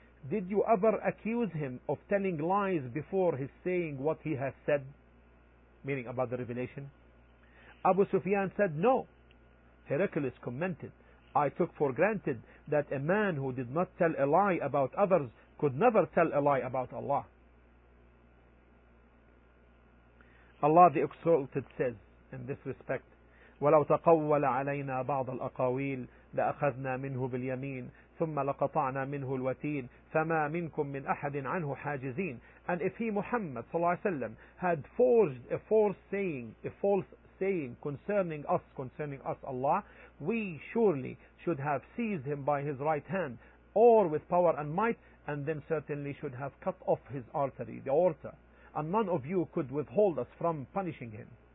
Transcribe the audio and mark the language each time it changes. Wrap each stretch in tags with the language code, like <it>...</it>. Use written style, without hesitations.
<en>Did you ever accuse him of telling lies before his saying what he has said, meaning about the revelation? Abu Sufyan said, no. Heraclius commented, I took for granted that a man who did not tell a lie about others could never tell a lie about Allah. Allah the Exalted says in this respect,</en> <ar>وَلَوْ تَقَوَّلَ عَلَيْنَا بَعْضَ الْأَقَاوِيلِ لَأَخَذْنَا مِنْهُ بِالْيَمِينِ ثُمَّ لَقَطَعْنَا مِنْهُ الْوَتِينَ فَمَا مِنْكُمْ مِنْ أَحَدٍ عَنْهُ حَاجِزِينَ.</ar> <en>And if he, Muhammad صلى الله عليه وسلم, had forged a false saying concerning us, Allah, we surely should have seized him by his right hand or with power and might, and then certainly should have cut off his artery, the aorta, and none of you could withhold us from punishing him.</en>